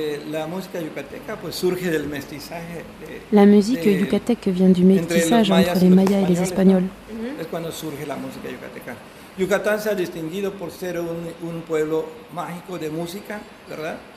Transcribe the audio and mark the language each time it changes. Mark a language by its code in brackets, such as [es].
[es] La música yucateca pues surge del mestizaje. [fr] La musique yucateque vient du métissage entre les mayas et les espagnols. [es] Es cuando surge la música yucateca. Yucatán se ha distinguido por ser un pueblo mágico de música, ¿verdad?